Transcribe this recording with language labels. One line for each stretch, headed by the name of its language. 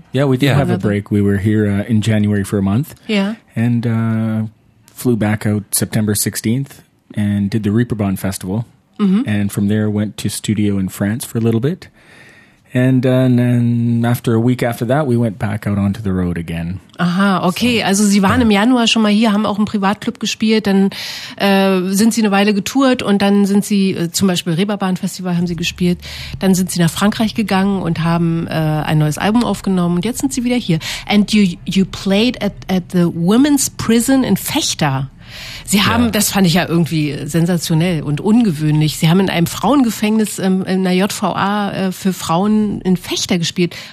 English: Yeah, we did have a break. We were here in January for a month. Yeah. And flew back out September 16th and did the Reeperbahn Festival. Mm-hmm. And from there went to studio in France for a little bit. And then after a week after that, we went back out onto the road again. Aha, okay.
German: Also Sie waren im Januar schon mal hier, haben auch im Privatclub gespielt. Dann sind Sie eine Weile getourt und dann sind Sie zum Beispiel Reeperbahn-Festival haben Sie gespielt. Dann sind Sie nach Frankreich gegangen und haben ein neues Album aufgenommen. Und jetzt sind Sie wieder hier.
English: And you played at the women's prison in Vechta.
German: Sie haben, das fand ich ja irgendwie sensationell und ungewöhnlich, Sie haben in einem Frauengefängnis in einer JVA für Frauen in Vechta gespielt.